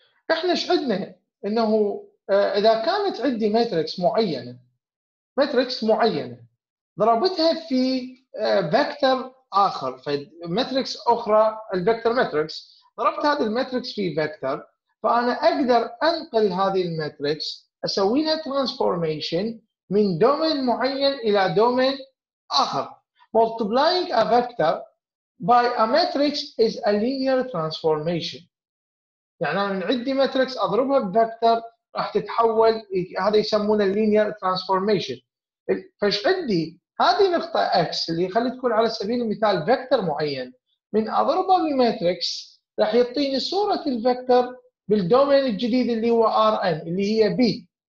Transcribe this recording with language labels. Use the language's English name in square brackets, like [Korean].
[Arabic] احنا ايش عندنا؟ انه اذا كانت عندي ماتريكس معينه، ماتريكس معينه ضربتها في فيكتور اخر، فماتريكس اخرى الفيكتور ماتريكس، ضربت هذه الماتريكس في فيكتور، فانا اقدر انقل هذه الماتريكس اسوي لها ترانسفورميشن من دومين معين الى دومين اخر. [English] Multiplying a vector by a matrix is a linear transformation. [Arabic] يعني انا عندي ماتريكس اضربها بفيكتور راح تتحول، هذا يسمونه linear transformation. فايش عندي؟ هذه نقطة X اللي خلي تكون على سبيل المثال فيكتور معين، من اضربها بماتريكس راح يعطيني صورة الفيكتور بالدومين الجديد اللي هو Rn اللي هي B.